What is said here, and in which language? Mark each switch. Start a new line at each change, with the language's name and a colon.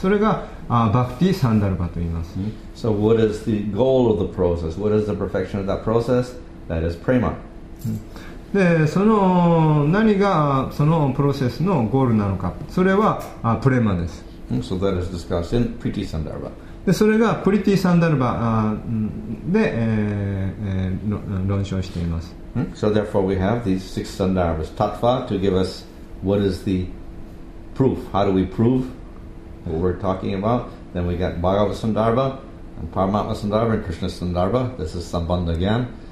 Japanese: それがバクティサンダルバと言います。
English: So what is the goal of the process? What is the perfection of that process? That is prema.
Japanese: で、その何がそのプロセスのゴールなのか、それはプレマです。
English: So that is discussed in Priti Sandarbha.
Japanese: で、それがプリティサンダルバで、論証しています。
English: So therefore we have these six sandarbhas. Tattva to give us what is the proof? How do we prove what we're talking about? Then we got Bhagava Sandarbha and Paramatma Sandarbha and Krishna Sandarbha. This is Sambandha again.